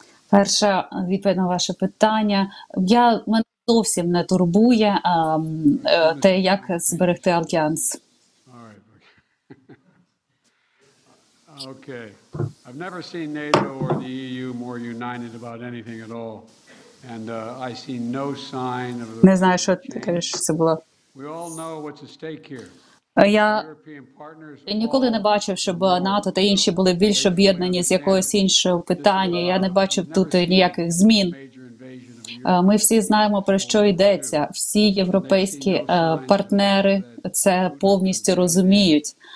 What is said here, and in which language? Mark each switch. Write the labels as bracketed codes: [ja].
[uk] Перша відповідь на ваше питання. Мене зовсім не турбує те, як зберегти альянс. Окей. [en] I've never seen NATO or the EU more united about anything at all. And I see no sign of [uk] the... Не знаю, що ти кажеш, що це було. [en] We all know what's at stake here. [uk] Я ніколи не бачив, щоб НАТО та інші були більш об'єднані з якогось іншого питання. Я не бачив тут ніяких змін. Ми всі знаємо, про що йдеться. Всі європейські партнери це повністю розуміють.